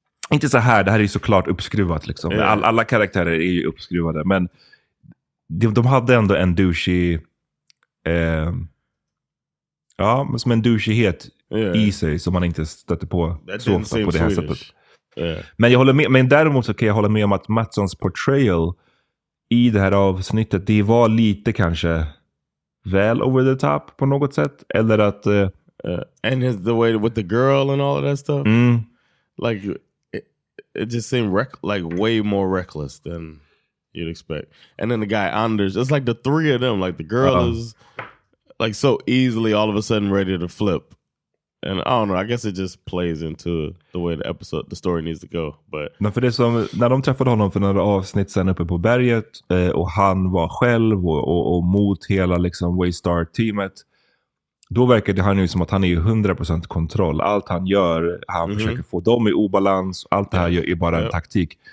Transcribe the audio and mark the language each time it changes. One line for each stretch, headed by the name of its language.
Swedish: Inte så här, det här är ju såklart uppskruvat liksom.
English: Yeah.
Swedish: Alla karaktärer är ju uppskruvade, men de hade ändå en douchig ja, men som en douchighet i sig som man inte stöter på så ofta på det här sättet. Men jag håller med, men däremot så kan jag hålla med om att Mattsons portrayal i det här avsnittet, det var lite kanske väl
English: over the top
Swedish: på något sätt, eller att
English: and his, the way with the girl and all of that stuff. Mm. Like it just seemed like way more reckless than you'd expect. And then the guy Anders, it's like the three of them, like the girl is like so easily all of a sudden ready to flip. And I don't know, I guess it just plays into the way the story needs to go. But
Swedish: men för det som, när de träffade honom för några avsnitt sen uppe på berget, och han var själv och mot hela liksom Waystar-teamet, då verkade han ju som att han är ju 100% kontroll. Allt han gör, han försöker få dem i obalans. Allt det här gör är bara en taktik.